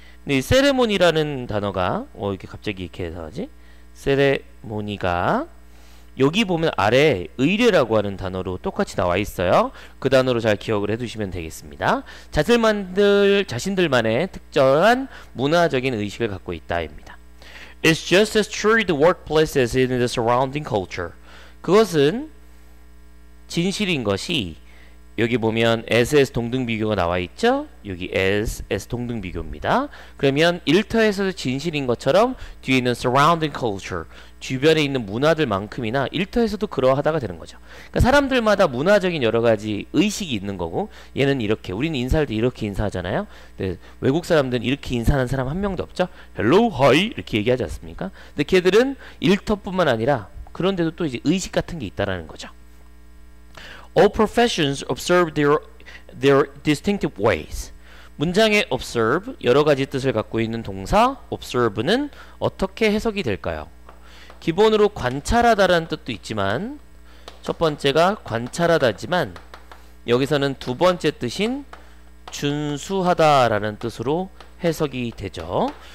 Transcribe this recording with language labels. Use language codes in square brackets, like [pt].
[ko] 네, 세레모니라는 단어가 이렇게 갑자기 이렇게 해서 하지? 세레모니가 여기 보면 아래 의례라고 하는 단어로 똑같이 나와 있어요. 그 단어로 잘 기억을 해두시면 되겠습니다. 자신들만의 특정한 문화적인 의식을 갖고 있다입니다. [en] It's just as true in the workplace as in the surrounding culture. [ko] 그것은 진실인 것이 여기 보면 as 동등비교가 나와 있죠? 여기 as 동등비교입니다. 그러면 일터에서도 진실인 것처럼 뒤에 있는 [en] surrounding culture, [ko] 주변에 있는 문화들만큼이나 일터에서도 그러하다가 되는 거죠. 그러니까 사람들마다 문화적인 여러 가지 의식이 있는 거고 얘는 이렇게, 우리는 인사할 때 이렇게 인사하잖아요. 근데 외국 사람들은 이렇게 인사하는 사람 한 명도 없죠? [en] Hello, hi [ko] 이렇게 얘기하지 않습니까? 근데 걔들은 일터뿐만 아니라 그런데도 또 이제 의식 같은 게 있다라는 거죠. [en] All professions observe their distinctive ways. [ko] 문장의 observe, 여러 가지 뜻을 갖고 있는 동사 observe는 어떻게 해석이 될까요? 기본으로 관찰하다라는 뜻도 있지만 첫 번째가 관찰하다지만 여기서는 두 번째 뜻인 준수하다라는 뜻으로 해석이 되죠.